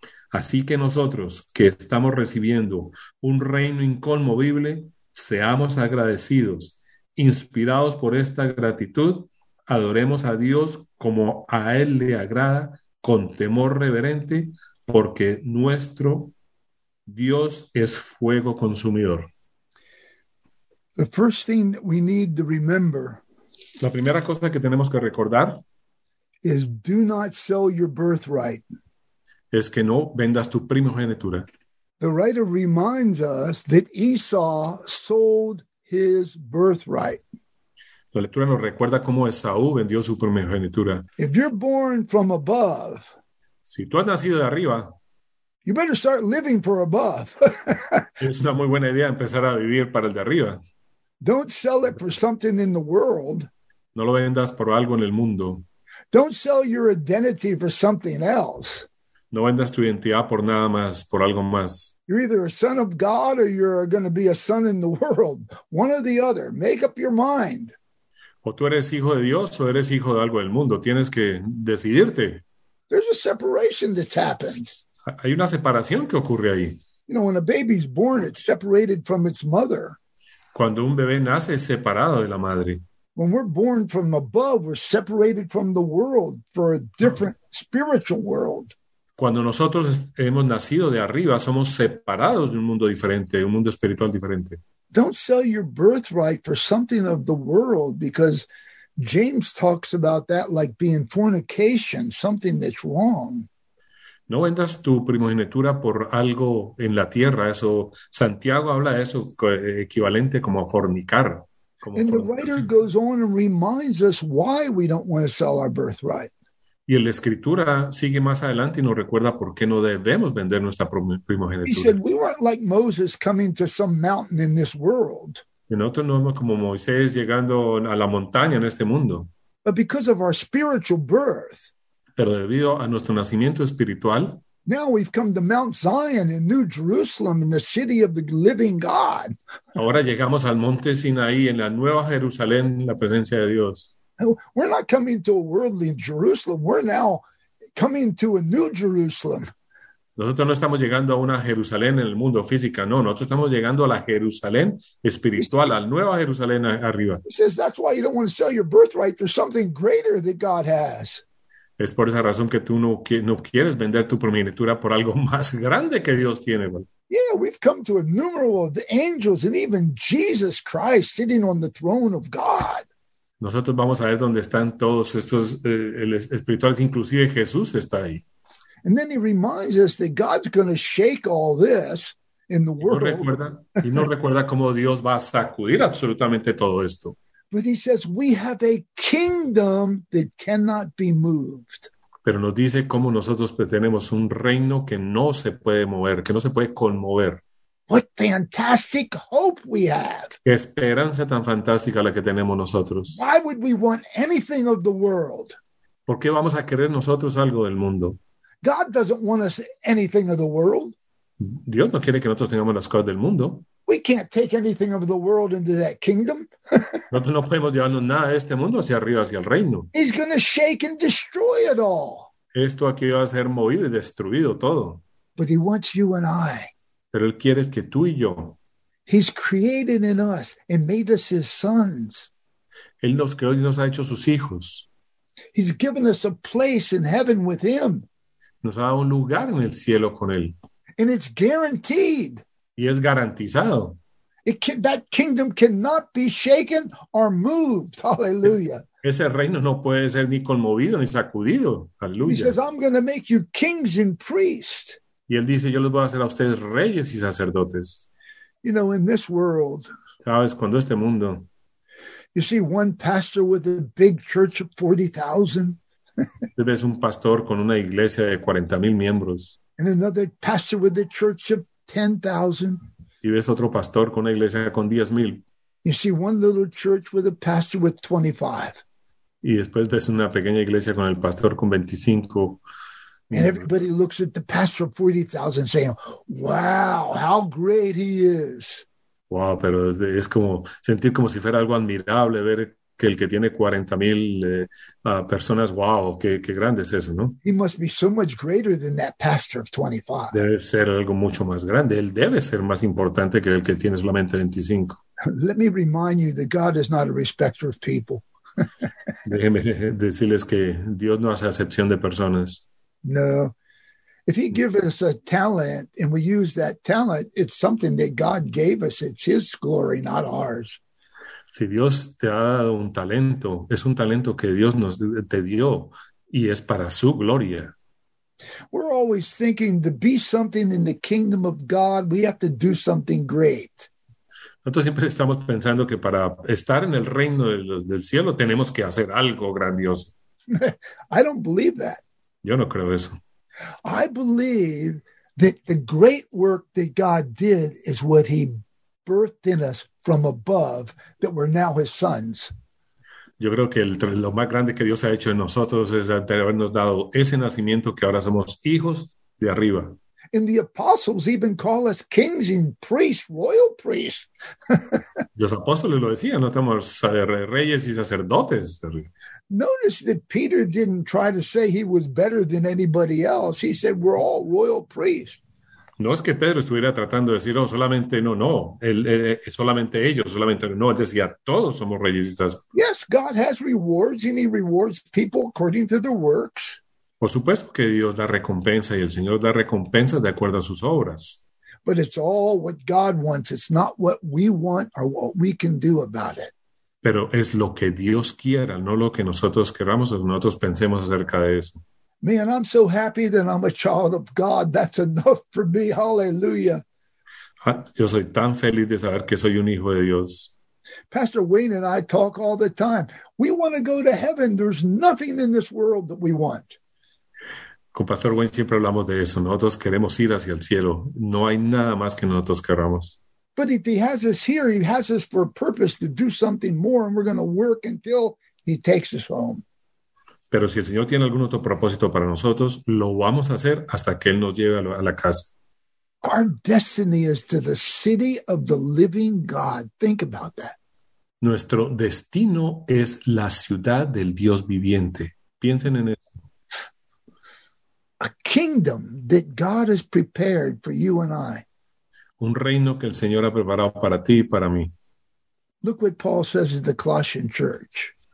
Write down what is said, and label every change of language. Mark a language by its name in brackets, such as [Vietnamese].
[Spanish] Así que nosotros, que estamos recibiendo un reino inconmovible, seamos agradecidos. Inspirados por esta gratitud, adoremos a Dios como a Él le agrada, con temor reverente, porque nuestro Dios es fuego consumidor. [English] The first thing that we need to remember, [Spanish] la primera cosa que tenemos que recordar, [English] is do not sell your birthright. [Spanish] Es que no vendas tu primogenitura. [English] The writer reminds us that Esau sold his birthright. [Spanish] La lectura nos recuerda cómo Esaú vendió su primogenitura. [English] If you're born from above, [Spanish] si tú has nacido de arriba, [English] you better start living for above. [Spanish] Es una muy buena idea empezar a vivir para el de arriba. [English] Don't sell it for something in the world. [Spanish] No lo vendas por algo en el mundo. [English] Don't sell your identity for something else. [Spanish] No vendas tu identidad por nada más, por algo más. [English] You're either a son of God or you're going to be a son in the world. One or the other. Make up your mind. [Spanish] O tú eres hijo de Dios o eres hijo de algo del mundo. Tienes que decidirte. [English] There's a separation that happens. [Spanish] Hay una separación que ocurre ahí. [English] You know, when a baby's born, it's separated from its mother. [Spanish] Cuando un bebé nace, es separado de la madre. [English] When we're born from above, we're separated from the world for a different spiritual world. [Spanish] Cuando nosotros hemos nacido de arriba, somos separados de un mundo diferente, de un mundo espiritual diferente. [English] Don't sell your birthright for something of the world, because James talks about that like being fornication, something that's wrong. [Spanish] No vendas tu primogenitura por algo en la tierra. Eso, Santiago habla de eso equivalente como a fornicar. [English] And the writer goes on and reminds us why we don't want to sell our birthright. [Spanish] Y la escritura sigue más adelante y nos recuerda por qué no debemos vender nuestra primogenitura. [English] He said we weren't like Moses coming to some mountain in this world. [Spanish] Y nosotros no somos como Moisés llegando a la montaña en este mundo. [English] But because of our spiritual birth. [Spanish] Pero debido a nuestro nacimiento espiritual. [English] Now we've come to Mount Zion in New Jerusalem in the city of the living God. [Spanish] Ahora llegamos al monte Sinaí en la nueva Jerusalén, la presencia de Dios. [English] We're not coming to a worldly Jerusalem. We're now coming to a new Jerusalem. [Spanish] Nosotros no estamos llegando a una Jerusalén en el mundo física, no. Nosotros estamos llegando a la Jerusalén espiritual, a la nueva Jerusalén arriba. [English] He says that's why you don't want to sell your birthright for something greater that God has. [Spanish] Es por esa razón que tú no quieres vender tu primogenitura por algo más grande que Dios tiene. [English] Yeah, we've come to innumerable of the angels and even Jesus Christ sitting on the throne of God. [Spanish] Nosotros vamos a ver dónde están todos estos espirituales, inclusive Jesús está ahí. [English] And then he reminds us that God's going to shake all this in the world. [Spanish] Y no recuerda cómo Dios va a sacudir absolutamente todo esto. [English] But he says, we have a kingdom that cannot be moved. [Spanish] Pero nos dice cómo nosotros tenemos un reino que no se puede mover, que no se puede conmover. [English] What fantastic hope we have. [Spanish] ¡Qué esperanza tan fantástica la que tenemos nosotros! [English] Why would we want anything of the world? [Spanish] ¿Por qué vamos a querer nosotros algo del mundo? [English] God doesn't want us anything of the world. [Spanish] Dios no quiere que nosotros tengamos las cosas del mundo. [English] We can't take anything of the world into that kingdom. [Spanish] Nosotros no podemos llevarnos nada de este mundo hacia arriba, hacia el reino. [English] He's going to shake and destroy it all. [Spanish] Esto aquí va a ser movido y destruido todo. [English] But he wants you and I. [Spanish] Pero él quiere que tú y yo. [English] He's created in us and made us his sons. [Spanish] Él nos creó y nos ha hecho sus hijos. [English] He's given us a place in heaven with him. [Spanish] Nos ha dado un lugar en el cielo con él. [English] And it's guaranteed. [Spanish] Y es garantizado. [English] That kingdom cannot be shaken or moved. Hallelujah. [Spanish] Ese reino no puede ser ni conmovido ni sacudido. Hallelujah. [English] He says, I'm going to make you kings and priests. [Spanish] Y él dice, yo les voy a hacer a ustedes reyes y sacerdotes. [English] You know, in this world. [Spanish] Sabes, cuando este mundo. [English] You see one pastor with a big church of 40,000. [Spanish] Tú ves un pastor con una iglesia de 40,000 miembros. [English] And another pastor with a church of 10,000. [Spanish] Y ves otro pastor con una iglesia con 10,000. [English] You see one little church with a pastor with 25. [Spanish] Y después ves una pequeña iglesia con el pastor con 25. [English] And everybody looks at the pastor of 40,000 saying, wow, how great he is. [Spanish] Wow, pero es como sentir como si fuera algo admirable ver que el que tiene 40,000 personas, wow, qué grande es eso, ¿no? [English] He must be so much greater than that pastor of 25. [Spanish] Debe ser algo mucho más grande. Él debe ser más importante que el que tiene solamente 25. [English] Let me remind you that God is not a respecter of people. [Spanish] Déjeme decirles que Dios no hace acepción de personas. No. [English] If he gives us a talent and we use that talent, it's something that God gave us. It's his glory, not ours. [Spanish] Si Dios te ha dado un talento, es un talento que Dios nos te dio y es para su gloria. [English] We're always thinking to be something in the kingdom of God, we have to do something great. [Spanish] Nosotros siempre estamos pensando que para estar en el reino del cielo tenemos que hacer algo grandioso. [English] I don't believe that. [Spanish] Yo no creo eso. [English] I believe that the great work that God did is what he birthed in us from above, that we're now his sons. [Spanish] Yo creo que lo más grande que Dios ha hecho en nosotros es habernos dado ese nacimiento que ahora somos hijos de arriba. [English] And the apostles even call us kings and priests, royal priests. [Spanish] Los apóstoles lo decían, no estamos reyes y sacerdotes. [English] Notice that Peter didn't try to say he was better than anybody else. He said, we're all royal priests. [Spanish] No es que Pedro estuviera tratando de decir, oh, solamente no, no. Solamente ellos, solamente no. Él decía, todos somos reyes y sacerdotes. [English] Yes, God has rewards and he rewards people according to their works. [Spanish] Por supuesto que Dios da recompensa y el Señor da recompensa de acuerdo a sus obras. [English] But it's all what God wants. It's not what we want or what we can do about it. [Spanish] Pero es lo que Dios quiera, no lo que nosotros queramos o nosotros pensemos acerca de eso. [English] Man, I'm so happy that I'm a child of God. That's enough for me. Hallelujah. [Spanish] Yo soy tan feliz de saber que soy un hijo de Dios. [English] Pastor Wayne and I talk all the time. We want to go to heaven. There's nothing in this world that we want. [Spanish] Con Pastor Wayne siempre hablamos de eso. Nosotros queremos ir hacia el cielo. No hay nada más que nosotros queramos. [English] But if he has us here, he has us for a purpose to do something more, and we're going to work until he takes us home. [Spanish] Pero si el Señor tiene algún otro propósito para nosotros, lo vamos a hacer hasta que Él nos lleve a la casa. [English] Our destiny is to the city of the living God. Think about that. [Spanish] Nuestro destino es la ciudad del Dios viviente. Piensen en eso. [English] A kingdom that God has prepared for you and I. [Spanish] Un reino que el Señor ha preparado para ti y para mí. [English] Look what Paul says in the Colossian church.